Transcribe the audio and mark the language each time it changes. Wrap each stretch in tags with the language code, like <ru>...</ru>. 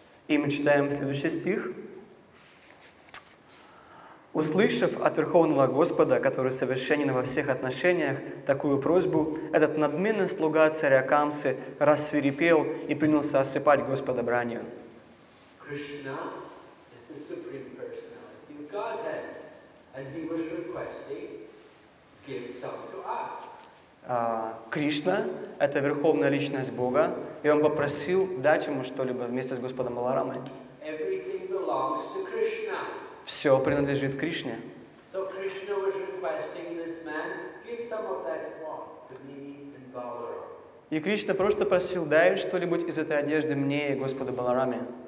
<ru>И мы читаем следующий стих. «Услышав от Верховного Господа, который совершенен во всех отношениях, такую просьбу, этот надменный слуга царя Камсы рассвирепел и принялся осыпать Господа бранью».</ru> <en>Кришна is the supreme personality of Godhead, and he was requesting, give some to us.</en> <ru>Кришна — это верховная личность Бога, и он попросил дать ему что-либо вместе с Господом Баларамой.</ru> <en>Everything belongs to Krishna.</en> <ru>Все принадлежит Кришне.</ru> <en>So Krishna was requesting this man, give some of that cloth to me and Balaram.</en> <ru>И Кришна просто просил, дай что-либо из этой одежды мне и Господу Балараме.</ru>